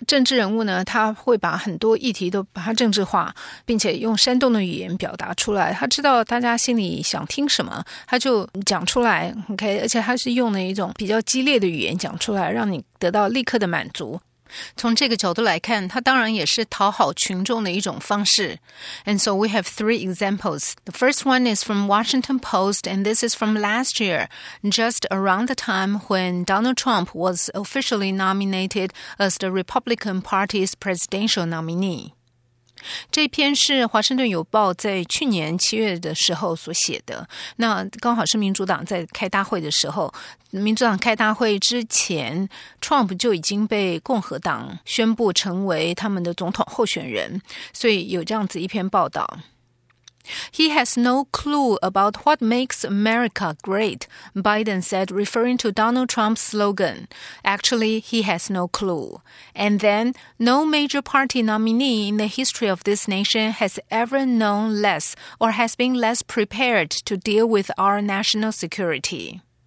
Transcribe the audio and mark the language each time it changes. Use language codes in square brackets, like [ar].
[zh] 政治人物呢，他会把很多议题都把它政治化，并且用煽动的语言表达出来，他知道大家心里想听什么，他就讲出来 OK， 而且他是用了一种比较激烈的语言讲出来，让你得到立刻的满足。从这个角度来看，它当然也是讨好群众的一种方式。 [en] And so we have three examples. The first one is from Washington Post, and this is from last year, just around the time when Donald Trump was officially nominated as the Republican Party's presidential nominee. [zh] 这篇是华盛顿邮报在去年七月的时候所写的。那刚好是民主党在开大会的时候，民主党开大会之前 ，Trump 就已经被共和党宣布成为他们的总统候选人，所以有这样子一篇报道。 [en] He has no clue about what makes America great, Biden said, referring to Donald Trump's slogan. Actually, he has no clue. And then, no major party nominee in the history of this nation has ever known less or has been less prepared to deal with our national security.